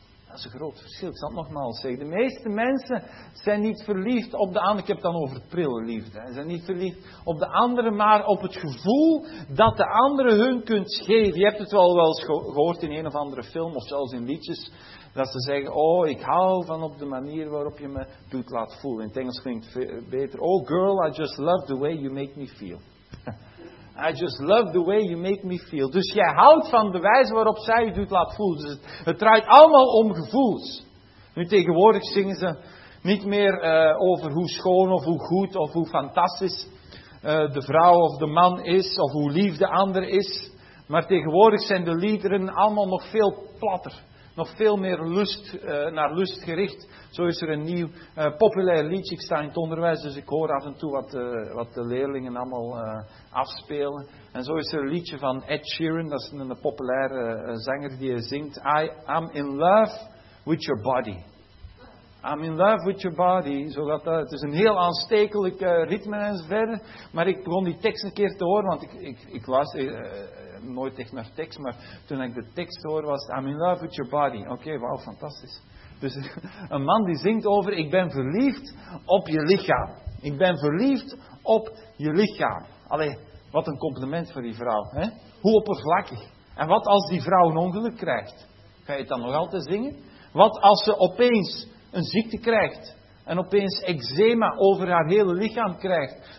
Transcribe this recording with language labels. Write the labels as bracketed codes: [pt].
[nl] Dat is een groot verschil. Ik zal het nogmaals zeggen. De meeste mensen zijn niet verliefd op de andere. Ik heb het dan over prille liefde. Ze zijn niet verliefd op de andere, maar op het gevoel dat de andere hun kunt geven. Je hebt het wel eens gehoord in een of andere film of zelfs in liedjes. Dat ze zeggen, ik hou van op de manier waarop je me doet laat voelen. In het Engels klinkt het beter. [en] Oh girl, I just love the way you make me feel. I just love the way you make me feel. [nl] Dus jij houdt van de wijze waarop zij je doet laten voelen. Dus het draait allemaal om gevoels. Nu tegenwoordig zingen ze niet meer over hoe schoon of hoe goed of hoe fantastisch de vrouw of de man is. Of hoe lief de ander is. Maar tegenwoordig zijn de liederen allemaal nog veel platter. Nog veel meer naar lust gericht. Zo is er een nieuw populair liedje. Ik sta in het onderwijs, dus ik hoor af en toe wat de leerlingen allemaal afspelen. En zo is er een liedje van Ed Sheeran. Dat is een populaire zanger die zingt. [en] I am in love with your body. I'm in love with your body. [nl] Het is een heel aanstekelijk ritme en zo verder. Maar ik begon die tekst een keer te horen, want ik luister nooit echt naar tekst. Maar toen ik de tekst hoor, was [en] I'm in love with your body. [nl] Oké, fantastisch. Dus een man die zingt over, ik ben verliefd op je lichaam. Ik ben verliefd op je lichaam. Allee, wat een compliment voor die vrouw. Hè? Hoe oppervlakkig. En wat als die vrouw een ongeluk krijgt? Ga je het dan nog altijd zingen? Wat als ze opeens een ziekte krijgt en opeens eczema over haar hele lichaam krijgt?